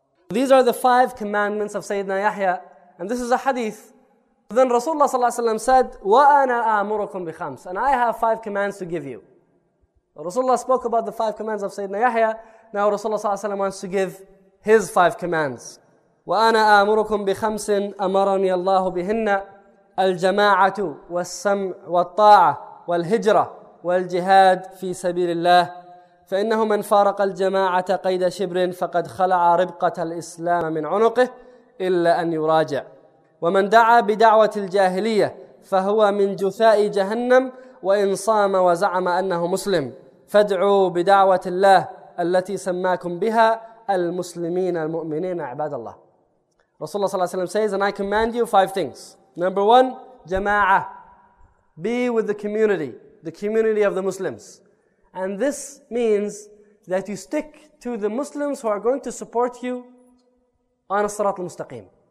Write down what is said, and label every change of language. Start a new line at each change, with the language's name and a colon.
English: These are the five commandments of Sayyidina Yahya. And this is a hadith. Then Rasulullah sallallahu alayhi wa said,
Arabic: وَأَنَا أَمُرُكُمْ بِخَمْسِ.
English: And I have five commands to give you. Rasulullah spoke about the five commands of Sayyidina Yahya. Now Rasulullah sallallahu alayhi wa wants to give his five commands.
Arabic: وَأَنَا أَمُرُكُمْ بِخَمْسٍ أَمَرَنِيَ اللَّهُ بِهِنَّ الْجَمَاعَةُ وَالسَّمْعُ وَالطَّاعَةُ وَالْهِجْرَةُ وَالْجِهَادُ فِي سَبِيلِ اللَّهِ فإنه من فارق الجماعة قيد شبر فقد خلع ربقة الإسلام من عنقه إلا أن يراجع ومن دعا بدعوة الجاهلية فهو من جثاء جهنم وإن صام وزعم أنه مسلم فادعوا بدعوة الله التي سماكم بها المسلمين المؤمنين عباد الله. رسول الله صلى الله عليه وسلم
English: says, and I command you five things. Number one, جماعة. Be with the community of the Muslims. And this means that you stick to the Muslims who are going to support you on As-Sirat al-Mustaqim.